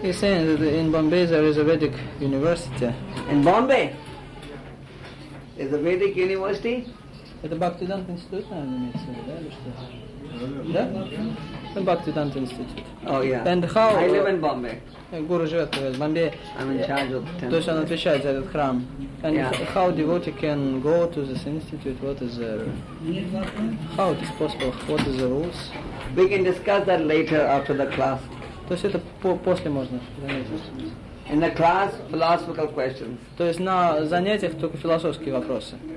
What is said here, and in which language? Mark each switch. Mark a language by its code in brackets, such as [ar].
[en] He's saying that in Bombay there is a Vedic university. In Bombay? Is the Vedic University? [ru] Это Бхактиданта институт, наверное, имеется в виду, да, или что? Да? Это Бхактиданта институт. [en] Oh, yeah. And how... I live in Bombay. [ru] Гуру живет в Бомбее. [en] I'm in charge of the temple. [ru] То есть он отвечает за этот храм. [en] And yeah. How devotee can go to this institute? What is there? How it is possible? What is the rules? We can discuss that later after the class. [ru] То есть это после можно. [en] In the class, philosophical questions. [ru] То есть на занятиях только философские вопросы.